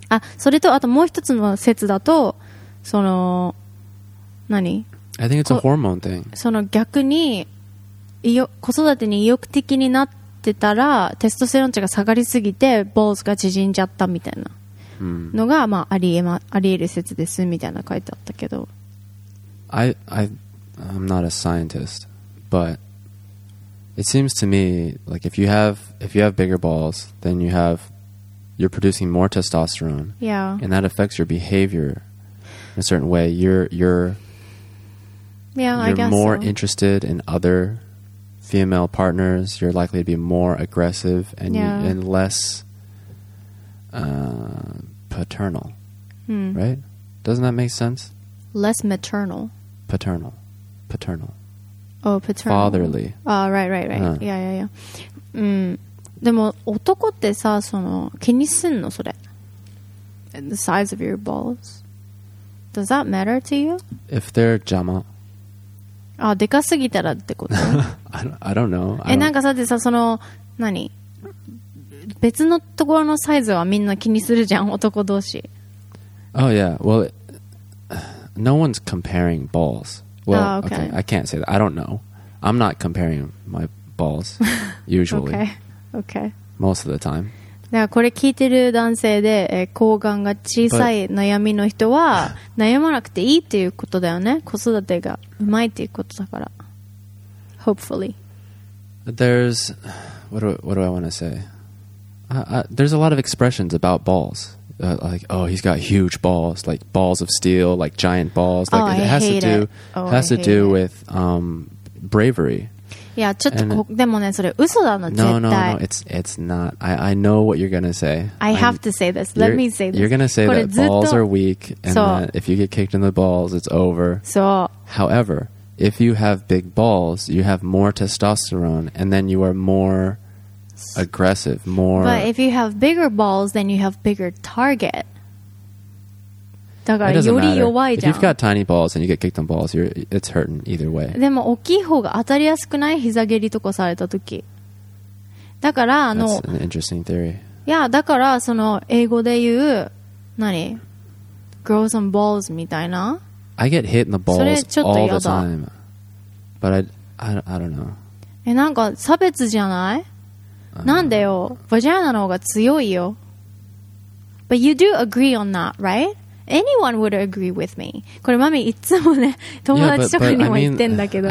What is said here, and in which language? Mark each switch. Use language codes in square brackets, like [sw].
[ja] あ、それとあともう一つの説だと、その何、 [en] I think it's a hormone thing. [ja] その逆に子育てに意欲的になってたらテストステロン値が下がりすぎてボーズが縮んじゃったみたいなのが、まあ、あり得る説ですみたいな書いてあったけど、 [en] I'm not a scientist, but it seems to me like if you have bigger balls, then you're producing more testosterone. Yeah. And that affects your behavior in a certain way. You're more interested in other female partners. You're likely to be more aggressive and less paternal. Hmm. Right? Doesn't that make sense? Less maternal. Paternal. Oh, paternal. Fatherly. Ah, right. Yeah. Mm. [ja] でも男ってさ、その気にすんのそれ。 [en] The size of your balls. Does that matter to you? If they're 邪魔。 [ja] あ、でかすぎたらってこと。 [en] I don't know. [ja] え、なんかさてさ、その何、別のところのサイズはみんな気にするじゃん、男同士。 [en] Oh yeah, well, no one's comparing balls. Well, okay, I can't say that. I don't know. I'm not comparing my balls usually. okay. Most of the time. [ja] だからこれ聞いてる男性で、睾丸が小さい悩みの人は悩まなくていいっていうことだよね。子育てがうまいっていうことだから。 [en] Hopefully. There's what do I want to say? There's a lot of expressions about balls. Like, oh, he's got huge balls, like balls of steel, like giant balls. Like, oh, it has to do with bravery. [ja] いやちょっとでもねそれ嘘だな絶対。 [en] No, it's not. I know what you're gonna say. I have to say this. Let me say this. You're gonna say that balls are weak and that if you get kicked in the balls, it's over. So. However, if you have big balls, you have more testosterone and then you are more aggressive, more. But if you have bigger balls, then you have bigger target. [ja] だからより弱いじゃん。 [en] If you've got tiny balls and you get kicked on balls, it's hurting either way. [ja] でも大きい方が当たりやすくない？膝蹴りとかされた時。だからあの。 [en] That's an interesting theory. [ja] いやだからその英語で言う何？ [en] Girls on balls みたいな。 I get hit in the balls all the time. But I don't know. [ja] え、なんか差別じゃない？なんでよ。バジャーナの方が強いよ。 [en] But you do agree on that, right? Anyone would agree with me. [ja] これマミいつもね友達とかにも言ってんだけど。